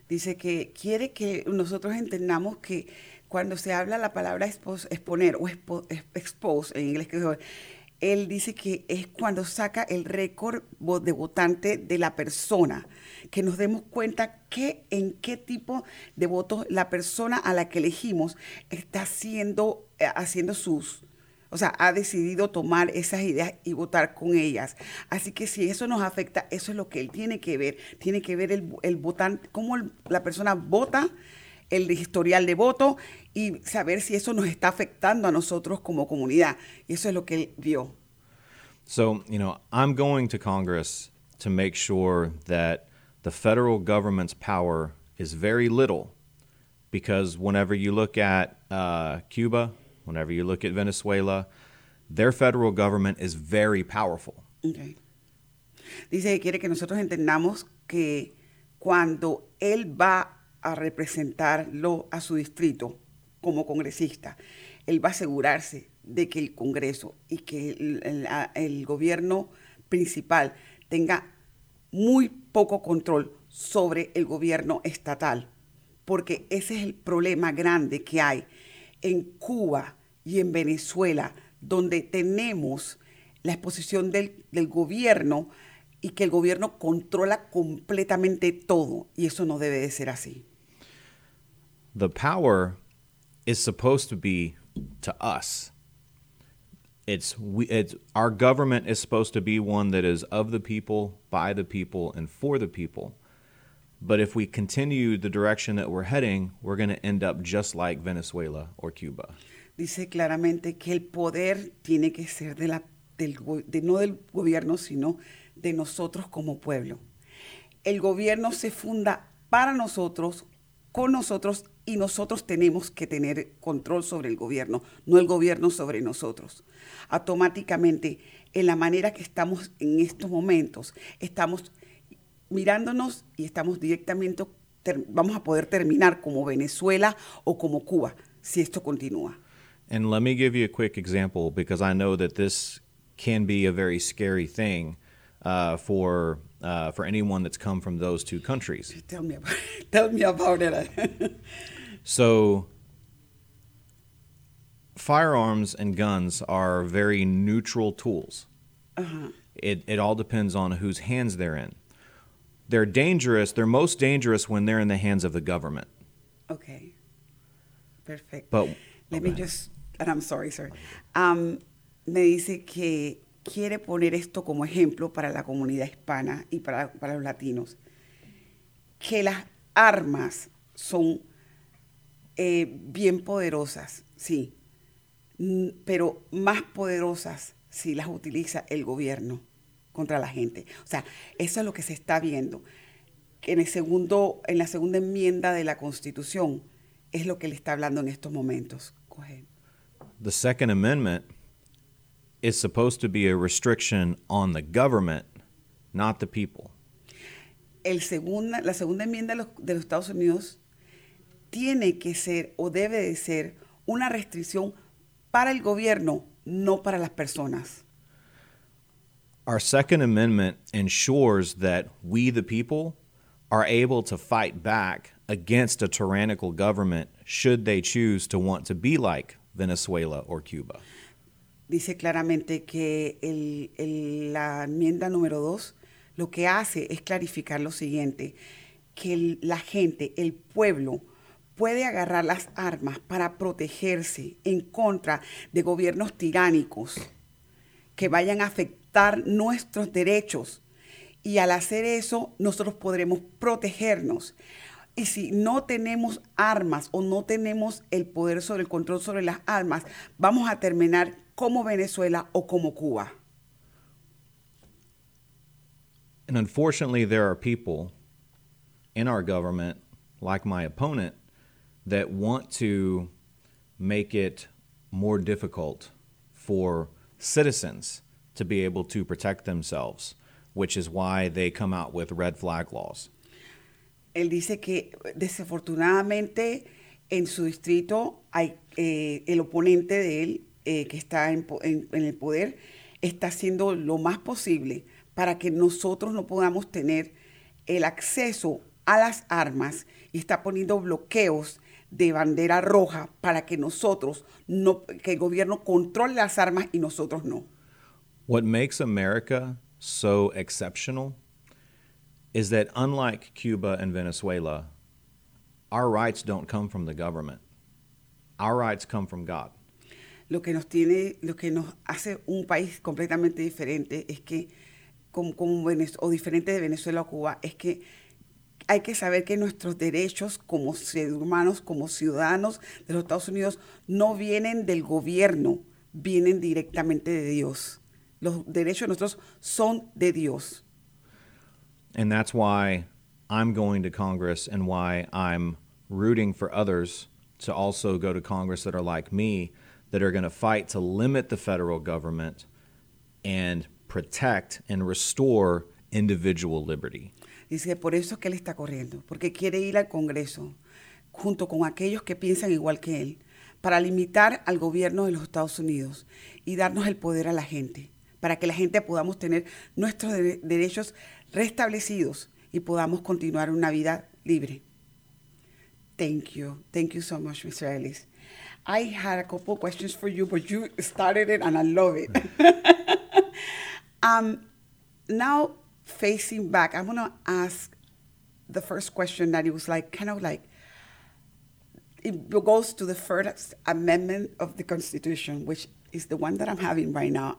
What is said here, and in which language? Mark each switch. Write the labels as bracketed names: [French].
[Spanish] Dice que quiere que nosotros entendamos que cuando se habla la palabra exponer o expose en inglés, que él dice que es cuando saca el récord de votante de la persona, que nos demos cuenta que en qué tipo de votos la persona a la que elegimos está haciendo sus, o sea, ha decidido tomar esas ideas y votar con ellas. Así que si eso nos afecta, eso es lo que él tiene que ver el votante, cómo la persona vota, el historial de voto, y saber si eso nos está afectando a nosotros como comunidad. Y eso es lo que él vio. [English] So, you know, I'm going to Congress to make sure that the federal government's power is very little, because whenever you look at Cuba, whenever you look at Venezuela, their federal government is very powerful. Okay. [Spanish] Dice que quiere que nosotros entendamos que cuando él va a representarlo a su distrito como congresista, él va a asegurarse de que el Congreso y que el gobierno principal tenga muy poco control sobre el gobierno estatal, porque ese es el problema grande que hay en Cuba y en Venezuela, donde tenemos la exposición del gobierno y que el gobierno controla completamente todo, y eso no debe de ser así. [English] The power is supposed to be to us. It's our government is supposed to be one that is of the people, by the people, and for the people. But if we continue the direction that we're heading, we're going to end up just like Venezuela or Cuba. [Spanish] Dice claramente que el poder tiene que ser no del gobierno, sino de nosotros como pueblo. El gobierno se funda para nosotros, con nosotros, y nosotros tenemos que tener control sobre el gobierno, no el gobierno sobre nosotros. Automáticamente, en la manera que estamos en estos momentos, estamos mirándonos y estamos directamente, vamos a poder terminar como Venezuela o como Cuba, si esto continúa. [English] And let me give you a quick example, because I know that this can be a very scary thing for anyone that's come from those two countries. Tell me about it. So, firearms and guns are very neutral tools. Uh-huh. It all depends on whose hands they're in. They're dangerous. They're most dangerous when they're in the hands of the government. Okay. Perfect. But And I'm sorry, sir. [Spanish] Me dice que quiere poner esto como ejemplo para la comunidad hispana y para los latinos. Que las armas son bien poderosas, sí, pero más poderosas si las utiliza el gobierno contra la gente. O sea, eso es lo que se está viendo. En la segunda enmienda de la Constitución es lo que le está hablando en estos momentos. [English] Go ahead. The Second Amendment is supposed to be a restriction on the government, not the people. [Spanish] el segunda, la segunda enmienda de los Estados Unidos tiene que ser o debe de ser una restricción para el gobierno, no para las personas. [English] Our Second Amendment ensures that we, the people, are able to fight back against a tyrannical government should they choose to want to be like Venezuela or Cuba. [Spanish] Dice claramente que la enmienda número dos lo que hace es clarificar lo siguiente, que la gente, el pueblo, puede agarrar las armas para protegerse en contra de gobiernos tiránicos que vayan a afectar nuestros derechos. Y al hacer eso, nosotros podremos protegernos. Y si no tenemos armas o no tenemos el poder sobre el control sobre las armas, vamos a terminar como Venezuela o como Cuba. [English] And unfortunately, there are people in our government, like my opponent, that want to make it more difficult for citizens to be able to protect themselves, which is why they come out with red flag laws. [Spanish] Él dice que desafortunadamente en su distrito hay el oponente de él que está en el poder está haciendo lo más posible para que nosotros no podamos tener el acceso a las armas y está poniendo bloqueos de bandera roja para que nosotros no, que el gobierno controle las armas y nosotros no. [English] What makes America so exceptional is that unlike Cuba and Venezuela, our rights don't come from the government. Our rights come from God. [Spanish] Lo que nos tiene, lo que nos hace un país completamente diferente es que, o diferente de Venezuela o Cuba, es que hay que saber que nuestros derechos como seres humanos, como ciudadanos de los Estados Unidos, no vienen del gobierno, vienen directamente de Dios. Los derechos de nosotros son de Dios. [English] And that's why I'm going to Congress and why I'm rooting for others to also go to Congress that are like me, that are going to fight to limit the federal government and protect and restore individual liberty. [Spanish] Dice, por eso es que él está corriendo, porque quiere ir al Congreso junto con aquellos que piensan igual que él para limitar al gobierno de los Estados Unidos y darnos el poder a la gente, para que la gente podamos tener nuestros derechos restablecidos y podamos continuar una vida libre. [English] Thank you so much, Mr. Ellis. I had a couple of questions for you, but you started it and I love it. Now, facing back, I'm going to ask the first question that it was like, kind of like, it goes to the first amendment of the Constitution, which is the one that I'm having right now.